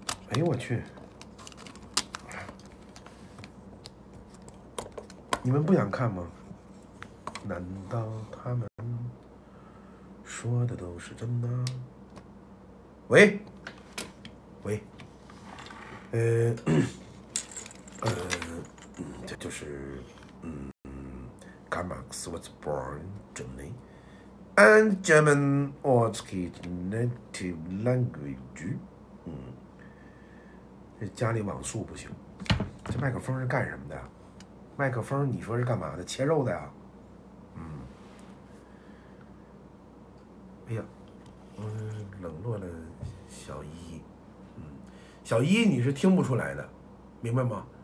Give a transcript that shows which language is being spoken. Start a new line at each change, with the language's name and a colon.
Chinese: 哎呦我去，你们不想看吗？难道他们说的都是真的？喂喂，这就是
English: Gamax was born Germany and German was his native language。
Chinese: 这家里网速不行，这麦克风是干什么的？麦克风你说是干嘛的？切肉的呀？嗯。哎呀，我冷落了小一。嗯，小一你是听不出来的，明白吗？